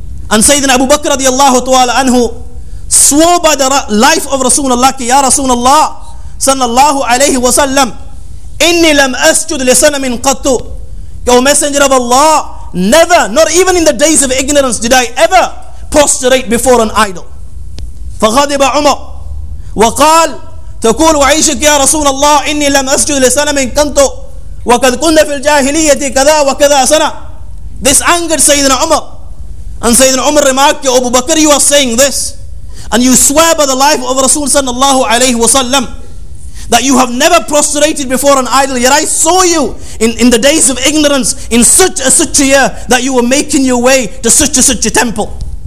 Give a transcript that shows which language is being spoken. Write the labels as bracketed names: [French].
[English] and Sayyidina Abu Bakr radiallahu ta'ala anhu swore by the life of Rasulullah, [Arabic] يا رسول الله صلى الله عليه وسلم إني لم أسجد لسنم قط, [English] O Messenger of Allah, never, not even in the days of ignorance, did I ever prostrate before an idol. [Arabic] فغضب عمر وقال تقول وعيشك يا رسول الله إني لم أسجد لسنم قط وقد كنا في الجاهلية كذا وكذا سنة. [English] This angered Sayyidina Umar, and Sayyidina Umar remarked, Abu Bakr, you are saying this and you swear by the life of Rasul sallallahu alayhi wa sallam that you have never prostrated before an idol, yet I saw you in the days of ignorance in such and such a year that you were making your way to such and such a temple.